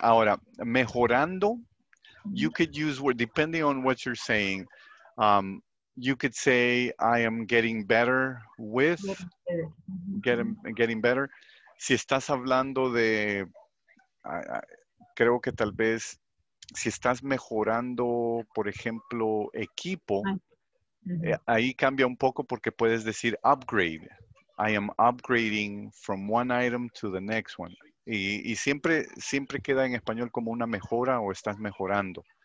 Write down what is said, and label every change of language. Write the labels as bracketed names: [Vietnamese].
[Spanish] Ahora, mejorando, [English] you could use word depending on what you're saying. You could say I am getting better with getting better. [Spanish] Si estás hablando de creo que tal vez si estás mejorando, por ejemplo, equipo, ahí cambia un poco porque puedes decir upgrade. [English] I am upgrading from one item to the next one. [Spanish] Y siempre queda en español como una mejora o estás mejorando.